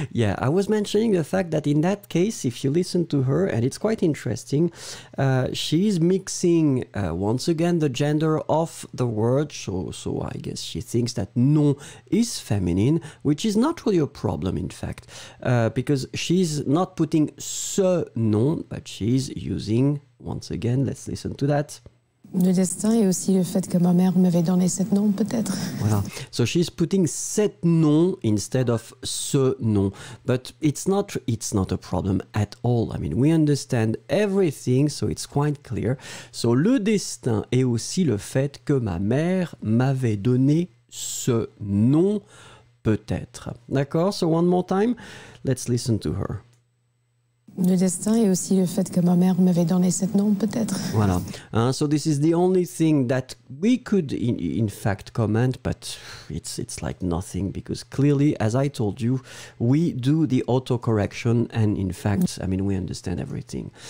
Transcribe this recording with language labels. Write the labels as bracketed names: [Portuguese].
[English] Yeah, I was mentioning the fact that in that case, if you listen to her, and it's quite interesting, she's mixing once again the gender of the word. So I guess she thinks that non is feminine, which is not really a problem, in fact, because she's not putting ce non, but she's using, once again, let's listen to that. [French] Le destin et aussi le fait que ma mère m'avait donné cet nom, peut-être. [English] Voilà. So she's putting cet nom instead of ce nom. But it's not a problem at all. I mean, we understand everything, so it's quite clear. [French] So le destin et aussi le fait que ma mère m'avait donné ce nom, peut-être. [English] D'accord? So one more time, let's listen to her. [French] Le destin et aussi le fait que ma mère m'avait donné cet nom, peut-être. Voilà. [English] So this is the only thing that we could, in fact, comment, but it's like nothing, because clearly, as I told you, we do the auto-correction, and in fact, I mean, we understand everything.